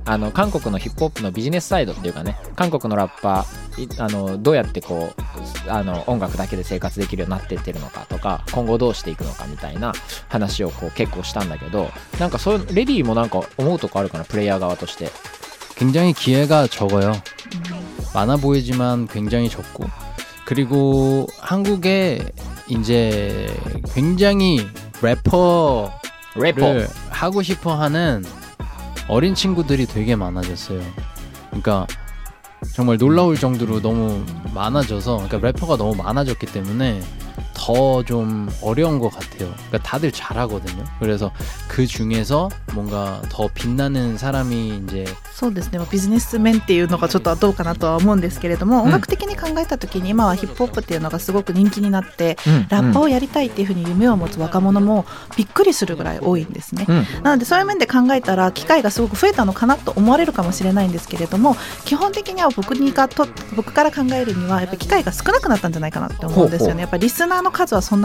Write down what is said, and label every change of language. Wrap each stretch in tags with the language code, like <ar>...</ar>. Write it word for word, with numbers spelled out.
<ja>あの韓国のヒップホップのビジネスサイドっていうかね、韓国のラッパーあのどうやってこうあの音楽だけで生活できるようになってってるのかとか、今後どうしていくのかみたいな話をこう結構したんだけど、なんかそういうレディーもなんか思うとこあるかな、プレイヤー側として。</ja> <ko>굉장히 기회가 적어요。 많아 보이지만 굉장히 적고、 그리고 한국에 이제 굉장히 래퍼를 래퍼. 하고 싶어하는 어린 친구들이 되게 많아졌어요. 그러니까 정말 놀라울 정도로 너무 많아져서, 그러니까 래퍼가 너무 많아졌기 때문에 더 좀 어려운 것 같아요. 그러니까 다들 잘하거든요. 그래서 그 중에서 뭔가 더 빛나는 사람이 이제</ko> <ja>そうですね。ビジネス面っていうのがちょっとどうかなとは思うんですけれども、音楽的に考えた時に今はヒップホップっていうのがすごく人気になってラッパーをやりたいっていうふうに夢を持つ若者もびっくりするぐらい多いんですね。なのでそういう面で考えたら機会がすごく増えたのかなと思うんですよね。やっぱりリスナーの数は</ja>